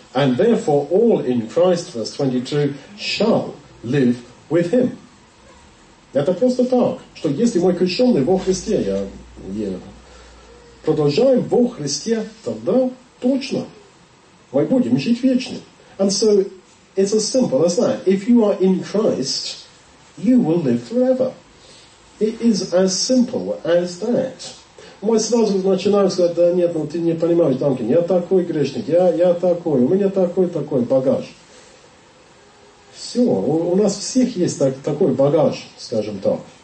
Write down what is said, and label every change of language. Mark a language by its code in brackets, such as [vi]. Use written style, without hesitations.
[en] And therefore all in Christ, verse 22, shall live with Him. [ru] Это просто так, что если мой крещенный во Христе, я продолжаю во Христе, тогда точно мы будем жить вечно. [en] And so it's as simple as that. If you are in Christ, you will live forever. It is as simple as that. [ru] Мы сразу начинаем сказать, да нет, ну ты не понимаешь, Данкин, я такой грешник, я такой, у меня такой багаж. Все, у нас всех есть такой багаж, скажем так.